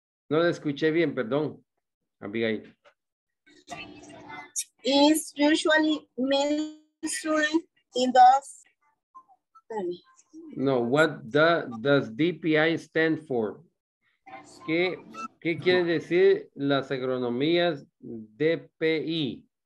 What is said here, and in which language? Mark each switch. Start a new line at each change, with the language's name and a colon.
Spanish: No le escuché bien, perdón, Abigail.
English: It's usually measured in those. No, what does DPI stand for?
Spanish: ¿Qué quiere decir las agronomías DPI?